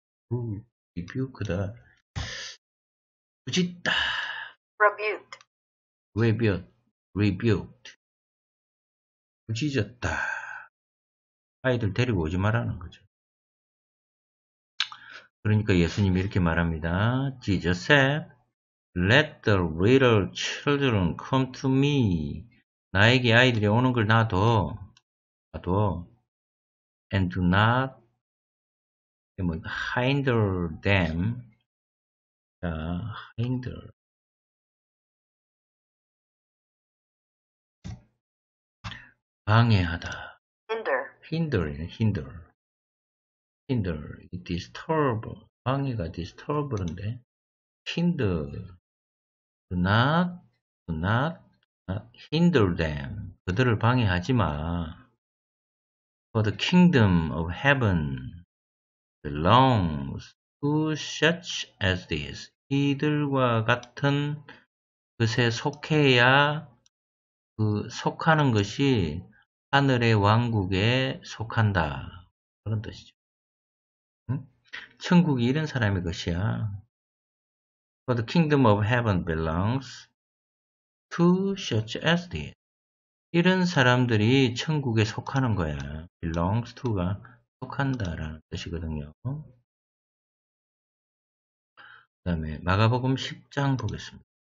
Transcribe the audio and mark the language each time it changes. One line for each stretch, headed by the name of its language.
English: Rebuked 부짖다. Rebuked
Korean: 부짖었다. 아이들 데리고 오지 말라는 거죠. 그러니까 예수님이 이렇게 말합니다.
English: Jesus said, Let the little children come to me.
Korean: 나에게 아이들이 오는 걸 놔둬.
English: And do not hinder them. Hinder.
Korean: 방해하다.
English: Hinder. Hinder, disturb, 방해가 disturb인데, hinder them,
Korean: 그들을 방해하지 마.
English: For the kingdom of heaven belongs to such as this.
Korean: 이들과 같은 것에 속해야 그 속하는 것이 하늘의 왕국에 속한다. 그런 뜻이죠. 천국이 이런 사람의 것이야.
English: For the kingdom of heaven belongs to such as this.
Korean: 이런 사람들이 천국에 속하는 거야. belongs to가 속한다라는 뜻이거든요. 그 다음에 마가복음 10장 보겠습니다.